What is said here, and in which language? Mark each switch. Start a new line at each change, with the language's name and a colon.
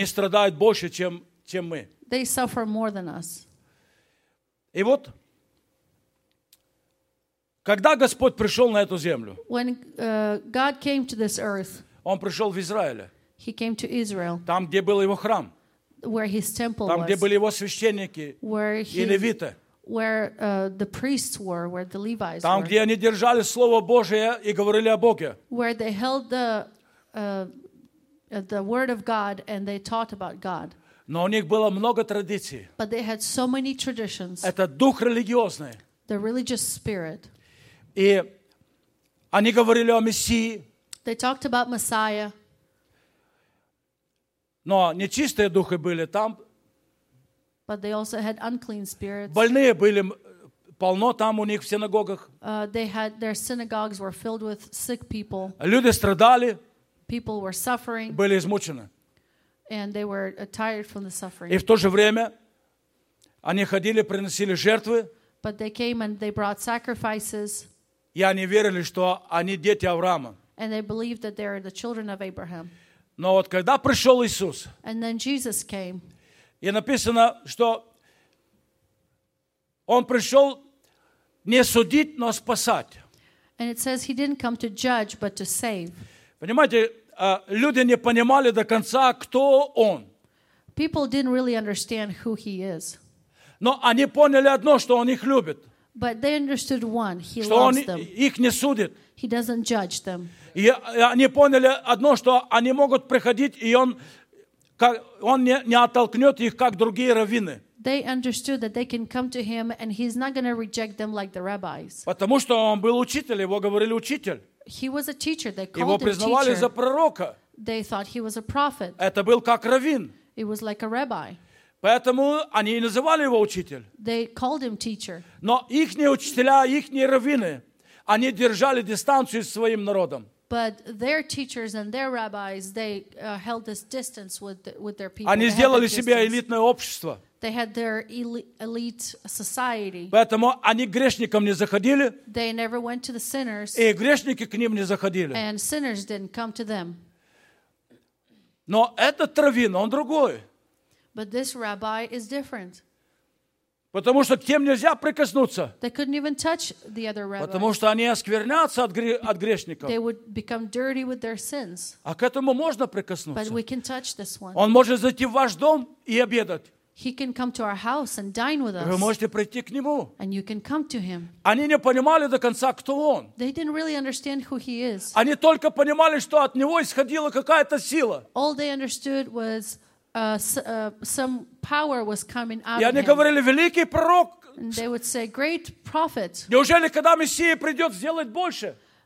Russian: они страдают больше, чем мы.
English: They suffer more than us.
Russian: И вот, когда Господь пришел на эту землю,
English: when God came to this earth,
Russian: Он пришел в Израиле.
English: He came to Israel.
Russian: Там, где был Его храм.
English: Where His temple
Russian: там,
English: was.
Russian: Где были Его священники и левиты.
English: Where the priests were, where the Levites
Russian: там,
English: were.
Russian: Где они держали Слово Божие и говорили о Боге.
English: Where they held the Word of God and they taught about God.
Russian: Но у них было много традиций.
English: But they had so many traditions.
Russian: Это дух религиозный.
English: The religious spirit.
Russian: И они говорили о Мессии.
English: They talked about Messiah.
Russian: Но нечистые духи были там.
English: But they also had unclean spirits.
Russian: Больные были полно там у них в синагогах.
English: They had, their synagogues were filled with sick people.
Russian: Люди страдали.
English: People were suffering.
Russian: Были измучены.
English: And they were tired from the suffering.
Russian: И в то же время Они ходили, приносили жертвы.
English: But they came and they brought sacrifices.
Russian: И они верили, что они дети Авраама.
English: And they believed that they are the children of Abraham.
Russian: Но вот когда пришел Иисус,
English: and then Jesus came.
Russian: И написано, что Он пришел не судить, но спасать.
English: And it says he didn't come to judge, but to save.
Russian: Понимаете, люди не понимали до конца, кто Он.
English: People didn't really understand who he is.
Russian: Но они поняли одно, что Он их любит.
English: But they understood one, he
Russian: что
English: loves
Russian: он
English: them.
Russian: Их не судит.
English: He doesn't judge them.
Russian: И они поняли одно, что они могут приходить, и Он, как, он не оттолкнет их, как другие раввины.
English: They understood that they can come to him and he's not going to reject them like the rabbis.
Russian: Потому что он был учитель, его говорили учитель.
English: He was a teacher, they called him teacher.
Russian: Его признавали за пророка.
English: They thought he was a prophet.
Russian: Это был как раввин.
English: It was like a rabbi.
Russian: Поэтому они и называли его учитель.
English: They called him teacher.
Russian: Но ихние учителя, ихние раввины, они держали дистанцию с своим народом.
English: But their teachers and their rabbis, they held this distance with their people.
Russian: Они сделали себе элитное общество.
English: They had their elite society.
Russian: Поэтому они к грешникам не заходили.
English: They never went to the sinners.
Russian: И грешники к ним не заходили.
English: And sinners didn't come to them.
Russian: Но этот раввин, он другой.
English: But this rabbi is different.
Russian: Потому что к тем нельзя прикоснуться.
English: They couldn't even touch the other rabbi.
Russian: Потому что они осквернятся от грешников.
English: They would become dirty with their sins.
Russian: А к этому можно прикоснуться.
English: But we can touch this one.
Russian: Он может зайти в ваш дом и обедать.
English: He can come to our house and dine with us.
Russian: Вы можете прийти к нему.
English: And you can come to him.
Russian: Они не понимали до конца, кто он.
English: They didn't really understand who he is.
Russian: Они только понимали, что от него исходила какая-то сила.
English: All they understood was some power was coming out of him.
Russian: И они говорили, великий пророк.
English: And they would say, great prophet.
Russian: Неужели, когда Мессия придет, сделает больше?